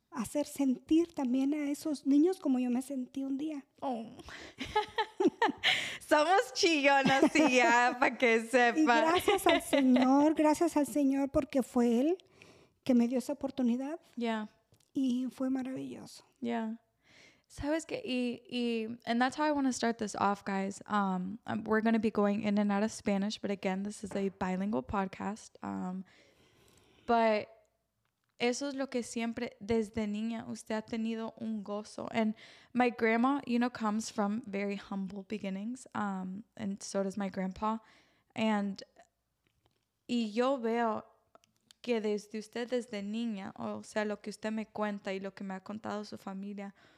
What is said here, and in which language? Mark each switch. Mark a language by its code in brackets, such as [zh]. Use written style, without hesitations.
[es] Hacer sentir también a esos niños como yo me sentí un día. Oh. Somos chillonas y ya, para que sepa. Y gracias al Señor, porque fue Él que me dio esa oportunidad. Ya. Yeah. Y fue maravilloso. Ya. Yeah. ¿Sabes qué? [en] And that's how I want to start this off, guys. We're going to be going in and out of Spanish, but again, this is a bilingual podcast. [es] But eso es lo que siempre, desde niña, usted ha tenido un gozo. [en] And my grandma, you know, comes from very humble beginnings, and so does my grandpa. [es] And y yo veo que desde usted, desde niña, o sea, lo que usted me cuenta y lo que me ha contado su familia...